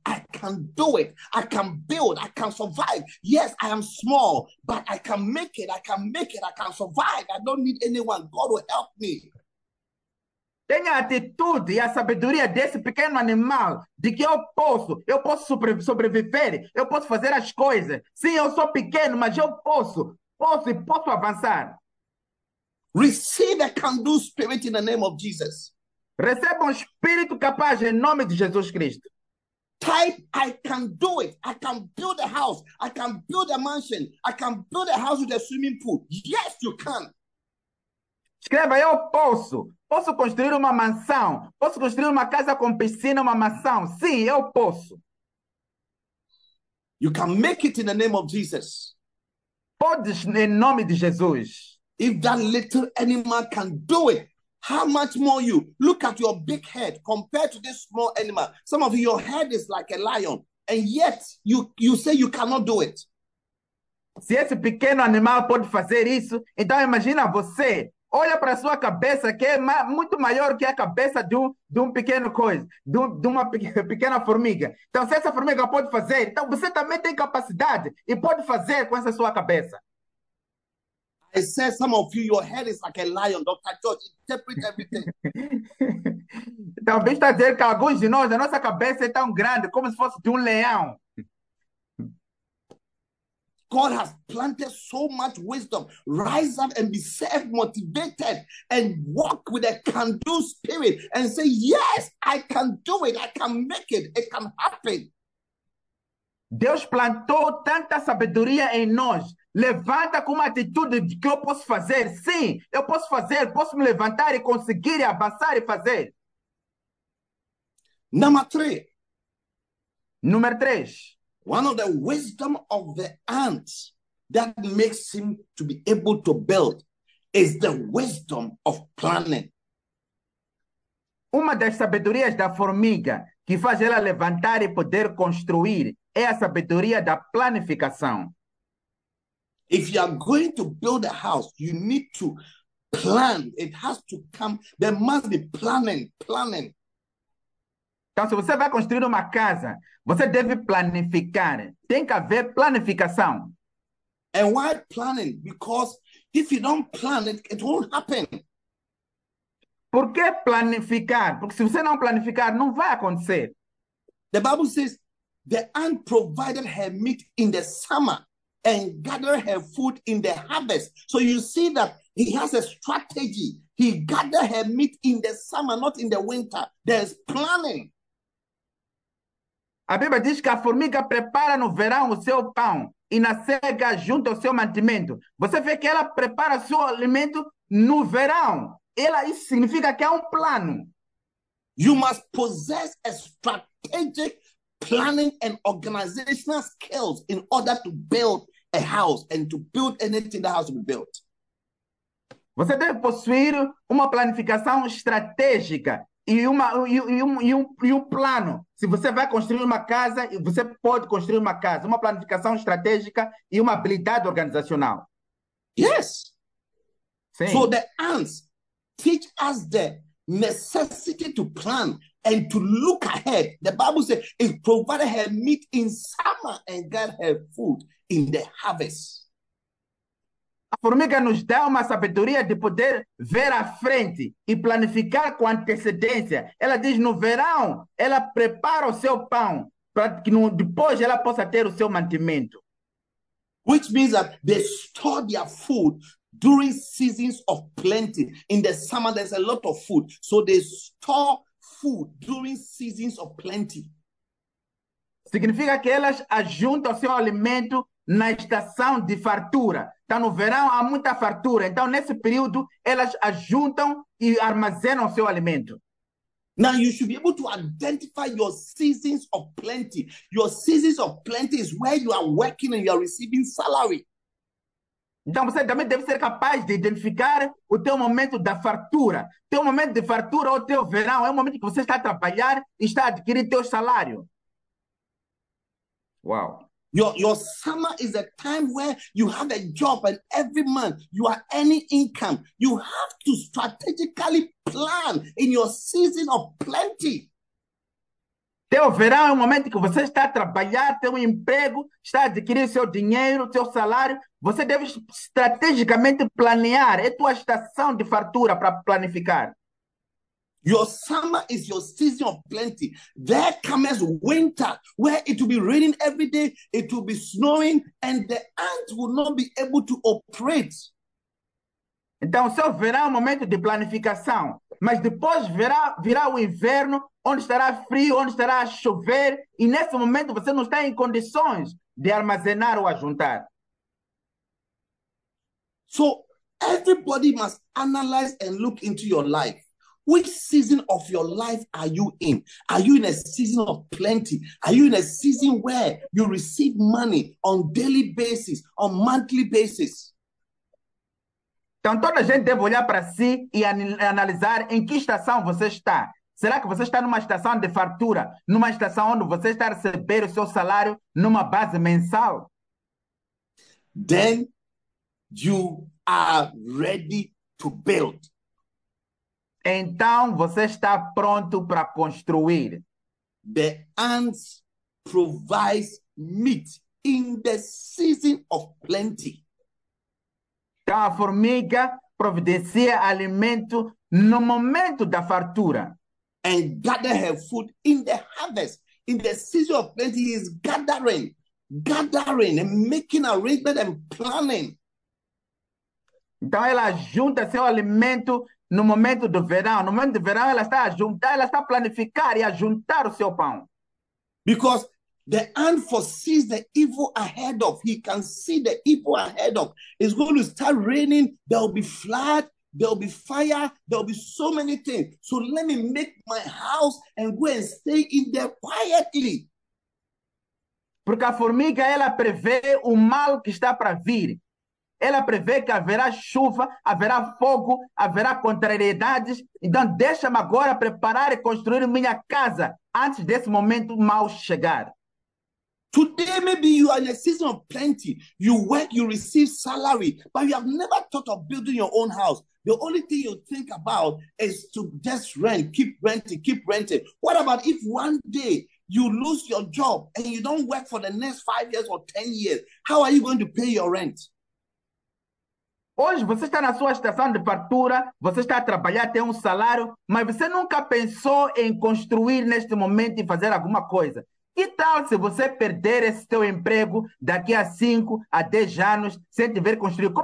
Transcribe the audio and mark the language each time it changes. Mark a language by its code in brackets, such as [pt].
[en] I can do it. I can build. I can survive. Yes, I am small, but I can make it. I can make it. I can survive. I don't need anyone. God will help me. [pt] Tenha a atitude e a sabedoria desse pequeno animal, de que eu posso sobreviver, eu posso fazer as coisas. Sim, eu sou pequeno, mas eu posso e posso avançar. [en] Receive a can-do spirit in the name of Jesus. [pt] Receba espírito capaz em nome de Jesus Cristo. [en] Type, I can do it. I can build a house. I can build a mansion. I can build a house with a swimming pool. Yes, you can. [pt] Escreva, eu posso. Posso construir uma mansão. Posso construir uma casa com piscina, uma mansão. Sim, eu posso. [en] You can make it in the name of Jesus. [pt] Podes em nome de Jesus. [en] If that little animal can do it, how much more you? Look at your big head compared to this small animal. Some of you, your head is like a lion, and yet you say you cannot do it. [pt] Se esse pequeno animal pode fazer isso, então imagina você. Olha para sua cabeça, que é muito maior que a cabeça de um pequeno coisa, de uma pequena formiga. Então, se essa formiga pode fazer, então você também tem capacidade e pode fazer com essa sua cabeça. [en] I said, some of you, your head is like a lion, Dr. George, interpret everything. [pt] Então, bem está a dizer que alguns de nós, a nossa cabeça é tão grande, como se fosse de um leão. [en] God has planted so much wisdom. Rise up and be self-motivated and walk with a can-do spirit and say, yes, I can do it. I can make it. It can happen. [pt] Deus plantou tanta sabedoria em nós. Levanta com uma atitude de que eu posso fazer. Sim, eu posso fazer. Posso me levantar e conseguir e avançar e fazer. Número 3. [en] One of the wisdom of the ant that makes him to be able to build is the wisdom of planning. [pt] Uma das sabedorias da formiga que faz ela levantar e poder construir é a sabedoria da planificação. [en] If you are going to build a house, you need to planned. It has to come. There must be planning. [pt] Então, se você vai construir uma casa, você deve planificar. Tem que haver planificação. [en] And why planning? Because if you don't plan it, it won't happen. [pt] Por que planificar? Porque se você não planificar, não vai acontecer. [en] The Bible says, the ant provided her meat in the summer and gathered her food in the harvest. So you see that he has a strategy. He gathered her meat in the summer, not in the winter. There's planning. [pt] A Bíblia diz que a formiga prepara no verão o seu pão e na seca junta o seu mantimento. Você vê que ela prepara o seu alimento no verão. Isso significa que é plano. [en] You must possess a strategic planning and organizational skills in order to build a house and to build anything that has to be built. [pt] Você deve possuir uma planificação estratégica. E um plano. Se você vai construir uma casa, você pode construir uma casa. Uma planificação estratégica e uma habilidade organizacional. [en] Yes. [pt] Sim. [en] So the ants teach us the necessity to plan and to look ahead. The Bible says, it provided her meat in summer and got her food in the harvest. [pt] A formiga nos dá uma sabedoria de poder ver à frente e planificar com antecedência. Ela diz, no verão, ela prepara o seu pão para que depois ela possa ter o seu mantimento. [en] Which means that they store their food during seasons of plenty. In the summer, there's a lot of food. So they store food during seasons of plenty. [pt] Significa que elas ajuntam o seu alimento na estação de fartura. Então, no verão, há muita fartura. Então, nesse período, elas ajuntam e armazenam seu alimento. [en] Now, you should be able to identify your seasons of plenty. Your seasons of plenty is where you are working and you are receiving salary. [pt] Então, você também deve ser capaz de identificar o teu momento da fartura. Teu momento de fartura ou teu verão é o momento que você está a trabalhar e está a adquirir teu salário. [en] Wow. Your summer is a time where you have a job and every month you are earning income. You have to strategically plan in your season of plenty. [pt] Teu verão é o momento que você está a trabalhar, tem emprego, está a adquirir seu dinheiro, seu salário. Você deve estrategicamente planear. É tua estação de fartura para planificar. [en] Your summer is your season of plenty. There comes winter where it will be raining every day, it will be snowing, and the ants will not be able to operate. [pt] Então, seu verão é um momento de planificação, mas depois virá o inverno, onde estará frio, onde estará a chover, e nesse momento você não está em condições de armazenar ou ajuntar. [en] So, everybody must analyze and look into your life. Which season of your life are you in? Are you in a season of plenty? Are you in a season where you receive money on daily basis, on monthly basis? [pt] Então, toda a gente deve olhar para si e analisar em que estação você está. Será que você está numa estação de fartura? Numa estação onde você está a receber o seu salário numa base mensal? [en] Then you are ready to build. [pt] Então, você está pronto para construir. [en] The ants provide meat in the season of plenty. [pt] Então, a formiga providencia alimento no momento da fartura. [en] And gather her food in the harvest. In the season of plenty is gathering and making arrangement and planning. [pt] Então, ela junta seu alimento no momento do verão. No momento do verão, ela está a juntar, ela está a planificar e a juntar o seu pão. [en] Because the ant foresees the evil ahead of. He can see the evil ahead of. It's going to start raining. There will be flood. There will be fire. There will be so many things. So let me make my house and go and stay in there quietly. [pt] Porque a formiga, ela prevê o mal que está para vir. Ela prevê que haverá chuva, haverá fogo, haverá contrariedades. Então, deixa-me agora preparar e construir minha casa antes desse momento mal chegar. [en] Today, maybe you are in a season of plenty. You work, you receive salary, but you have never thought of building your own house. The only thing you think about is to just rent, keep renting, keep renting. What about if one day you lose your job and you don't work for the next 5 years or 10 years? How are you going to pay your rent? [pt] Hoje você está na sua estação de fartura, você está a trabalhar, tem salário, mas você nunca pensou em construir neste momento e fazer alguma coisa. Que tal se você perder esse teu emprego daqui a 5 a 10 anos sem tiver construído?